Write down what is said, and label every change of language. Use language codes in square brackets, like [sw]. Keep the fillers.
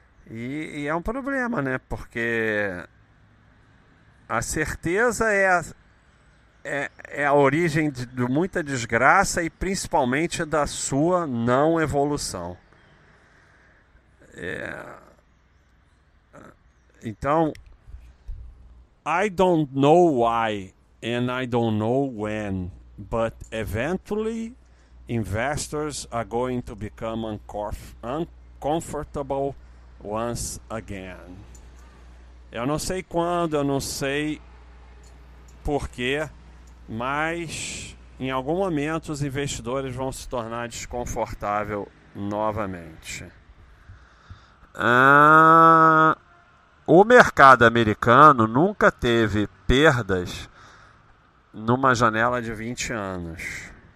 [pt] E, e é um problema, né? Porque a certeza é a, é, é, a origem de, de, muita desgraça e principalmente da sua não evolução. É... Então, [en] I don't know why and I don't know when, but eventually investors are going to become uncomfortable once again. [pt] Eu não sei quando, eu não sei porquê mas em algum momento os investidores vão se tornar desconfortável novamente. Ah, o mercado americano nunca teve perdas numa janela de 20 anos.